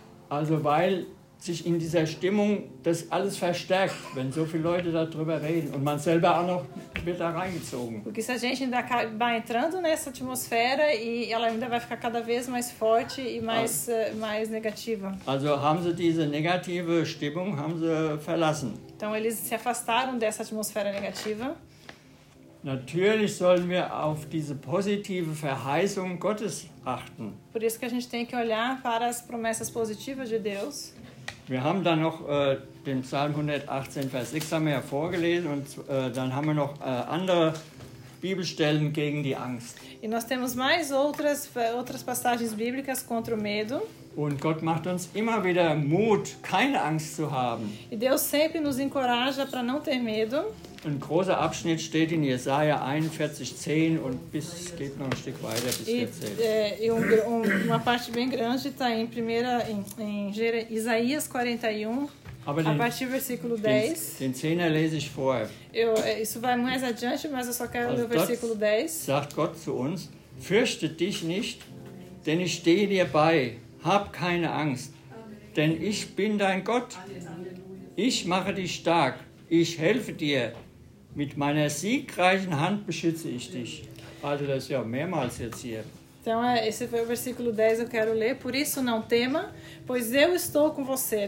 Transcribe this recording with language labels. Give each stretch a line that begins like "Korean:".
German: Also weil sich in dieser Stimmung das alles verstärkt, wenn so viele Leute darüber reden und man selber auch noch mit da reingezogen.
Portuguese: Porque se a gente ainda vai entrando nessa atmosfera e ela ainda vai ficar cada vez mais forte e mais negativa.
German: Also haben sie diese negative Stimmung haben sie verlassen.
Portuguese: Então eles se afastaram dessa atmosfera negativa.
German: Natürlich sollen wir auf diese positive Verheißung Gottes achten.
Portuguese: Por isso que a gente tem que olhar para as promessas positivas de Deus.
German: Wir haben dann noch den Psalm 118, Vers 6 haben wir ja vorgelesen und dann haben wir noch andere Bibelstellen gegen die Angst.
Portuguese: E nós temos mais outras passagens bíblicas contra o medo.
German: Und Gott macht uns immer wieder Mut, keine Angst zu haben.
Portuguese: E Deus sempre nos encoraja para não ter medo.
German: Ein großer Abschnitt steht in Jesaja 41, 10 und bis geht noch ein Stück weiter bis 14.
Portuguese: E uma parte bem grande está em primeira em Isaías 41, a partir do versículo 10.
German: Den 10er lese ich vorher.
Portuguese: Isso vai mais adiante, mas eu só quero ler o versículo 10.
German: Sagt Gott zu uns: Fürchte dich nicht, denn ich stehe dir bei. Hab keine Angst, denn ich bin dein Gott. Ich mache dich stark. Ich helfe dir. Mit meiner siegreichen Hand beschütze ich dich. Also das ist ja mehrmals jetzt hier.
Portuguese: Então, esse foi o versículo 10, eu quero ler. Por isso não tema, pois eu estou com você.